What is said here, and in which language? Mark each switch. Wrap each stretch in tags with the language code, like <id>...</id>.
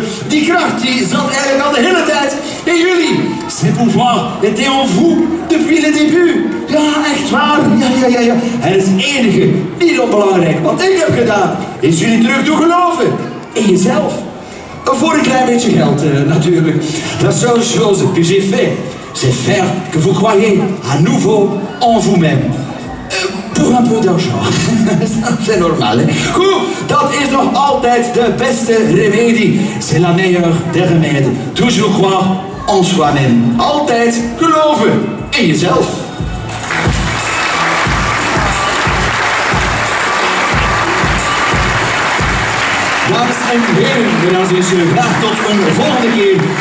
<nl>Die kracht die zat eigenlijk al de hele tijd in jullie.</nl> <fr>C'est pouvoir était en vous depuis le début.</fr> <nl>Ja, echt waar. Ja. En het enige, niet onbelangrijk, wat ik heb gedaan, is jullie terug doen geloven. In jezelf. Voor een klein beetje geld, natuurlijk.</nl> <fr>La seule chose que j'ai fait, c'est faire que vous croyez à nouveau en vous-même. Pour un peu d'argent. C'est normal. Hein?</fr> <nl>Goed, dat is nog altijd de beste remedie.</nl> <fr>C'est la meilleure des remèdes. Toujours croire en soi-même.</fr> <nl>Altijd geloven in jezelf. Dames en heren,</nl> <fr>mesdames en messieurs,</fr> <nl>graag tot een volgende keer.</nl>